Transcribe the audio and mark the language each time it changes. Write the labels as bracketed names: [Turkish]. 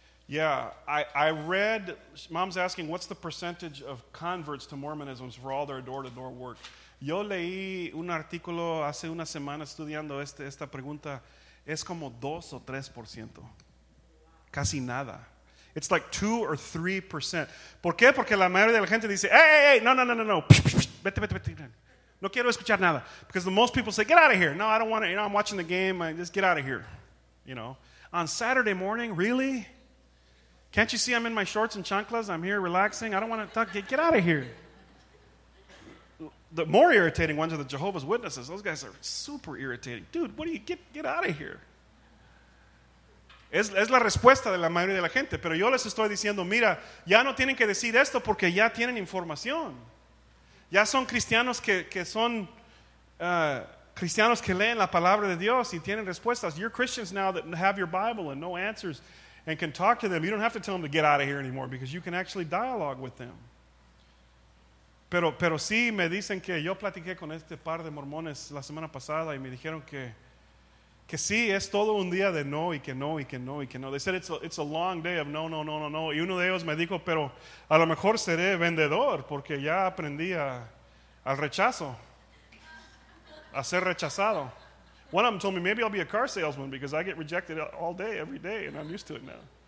[English] Yeah, I read, Mom's asking, what's the percentage of converts to Mormonism for all their door-to-door work? [Spanish] Yo leí un artículo hace una semana estudiando esta pregunta. Es como 2 o 3%. Casi nada. [English] It's like 2 or 3%. [Spanish] ¿Por qué? Porque la mayoría de la gente dice, hey, no. Psh, psh, psh. Vete. No quiero escuchar nada. [English] Because the most people say, get out of here. No, I don't want to, you know, I'm watching the game. Just get out of here, you know. On Saturday morning, really? Can't you see I'm in my shorts and chanclas? I'm here relaxing. I don't want to talk. Get out of here. The more irritating ones are the Jehovah's Witnesses. Those guys are super irritating. Dude, what do you get out of here? [Spanish] Es la respuesta de la mayoría de la gente. Pero yo les estoy diciendo, mira, ya no tienen que decir esto porque ya tienen información. Ya son cristianos que son cristianos que leen la palabra de Dios y tienen respuestas. [English] You're Christians now that have your Bible and no answers. And can talk to them. You don't have to tell them to get out of here anymore because you can actually dialogue with them. [Spanish] Pero sí me dicen que yo platiqué con este par de mormones la semana pasada y me dijeron que sí, es todo un día de no y que no y que no y que no. [English] They said it's a long day of no. [Spanish] Y uno de ellos me dijo, pero a lo mejor seré vendedor porque ya aprendí al rechazo, a ser rechazado. [English] One of them told me, maybe I'll be a car salesman because I get rejected all day, every day, and I'm used to it now.